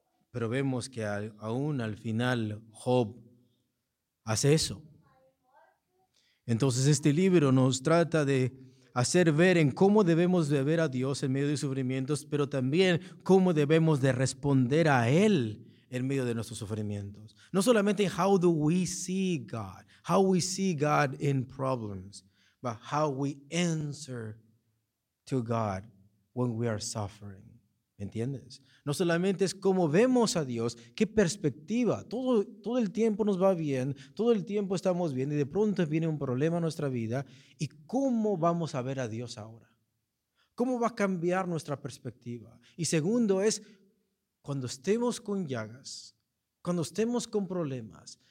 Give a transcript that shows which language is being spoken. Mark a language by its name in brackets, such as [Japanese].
[Spanish] Pero vemos que aún al final Job hace eso. Entonces este libro nos trata de hacer ver en cómo debemos de ver a Dios en medio de sufrimientos, pero también cómo debemos de responder a Él en medio de nuestros sufrimientos. No solamente [English] how do we see God, how we see God in problems, but how we answer to God when we are suffering. [Spanish] ¿Me entiendes? No solamente es cómo vemos a Dios, qué perspectiva, todo el tiempo nos va bien, todo el tiempo estamos bien y de pronto viene un problema a nuestra vida, y cómo vamos a ver a Dios ahora, cómo va a cambiar nuestra perspectiva. Y segundo es, cuando estemos con llagas, cuando estemos con problemas